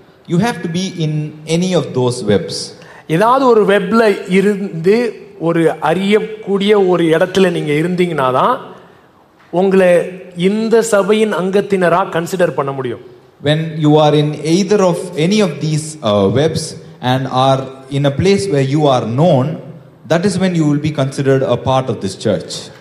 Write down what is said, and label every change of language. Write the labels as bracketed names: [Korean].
[English] You have to be in any of those webs. [Tamil] ஏதாவது ஒரு வெப்ல இருந்து ஒரு அறியக்கூடிய ஒரு இடத்துல நீங்க இருந்தீங்கன்னாதான் உங்களை இந்த சபையின் அங்கத்தினரா கன்சிடர் பண்ண முடியும். [English] When you are in either of any of these webs and are in a place where you are known, that is when you will be considered a part of this church.